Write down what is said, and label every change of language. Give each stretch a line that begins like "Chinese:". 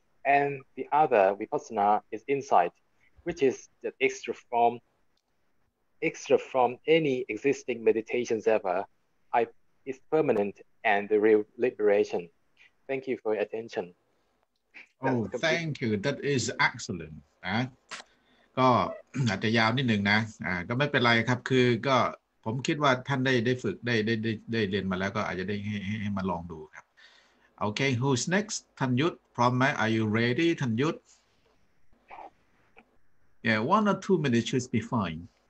English: And the other, vipassana, is insight, which is the extra from any existing meditations ever. It's permanent and the real liberation. Thank you for your attention. Thank you. That is excellent.
Thai: ก็อาจจะยาวนิดนึงนะก็ไม่เป็นไรครับคือก็ผมคิดว่าท่านได้ฝึกได้เรียนมาแล้วก็อาจจะได้ให้มาลองดูครับ
English: Okay, who's next? ท่านยุทธ Prom ไหม Are you ready? ท่านยุทธ Yeah, one or two minutes should be fine.